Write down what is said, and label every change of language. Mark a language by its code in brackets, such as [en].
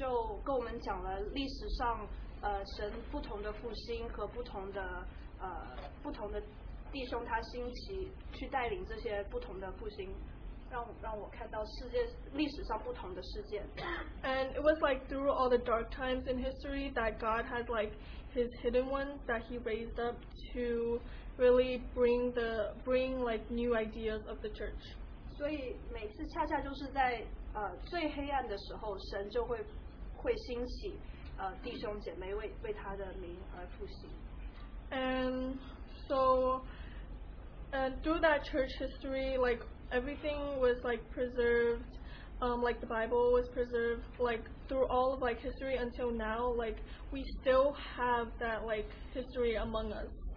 [zh] 所以专题的时候，我们的讲员就跟我们讲了历史上。神不同的复兴和不同的弟兄他兴起去带领这些不同的复兴让我看到世界历史上不同的事件。 [en] And it was like through all the dark times in history that God had like His hidden ones that He raised up to really bring like new ideas of the church. [zh] 所以每次恰恰就是在最黑暗的时候，神就会兴起弟兄姐妹为他的名而复兴。 [en] And through that church history, like everything was like preserved, like the Bible was preserved, like through all of like history until now, like we still have that like history among us.